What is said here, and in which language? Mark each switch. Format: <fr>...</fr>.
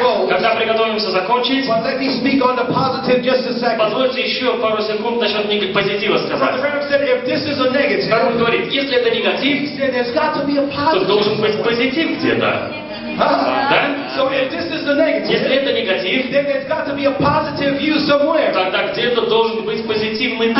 <ru>Когда приготовимся закончить, позвольте еще пару секунд насчет позитива сказать. Брат говорит, если это негатив, то должен быть позитив где-то. Да?</ru> <en>So if this is the negative,</en> <ru>если это негатив,</ru> <en>then there's got to be a positive view somewhere.</en> <ru>Тогда где-то должен быть позитивный ты.</ru>